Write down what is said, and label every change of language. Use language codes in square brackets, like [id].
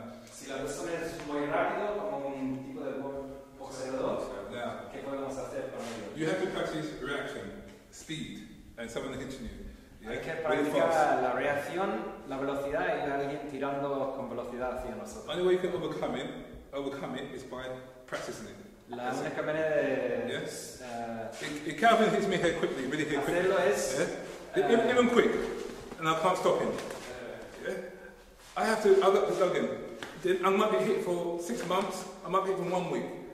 [es] Si la persona es muy rápido, como un tipo de boxeador, ¿qué podemos hacer para ello? [en] You have to practice reaction, speed, and someone hitting you. [es] Hay que practicar la reacción, la velocidad y alguien tirando con velocidad hacia nosotros. [en] The only way you can overcome it is by practicing it. [es] La única manera de [en] It Calvin hits me here quickly, really here quickly. [es] Hacerlo es [en] Even quick, and I can't stop him. I have to. I've got to plug in. I might get hit for 6 months. I might get hit for 1 week.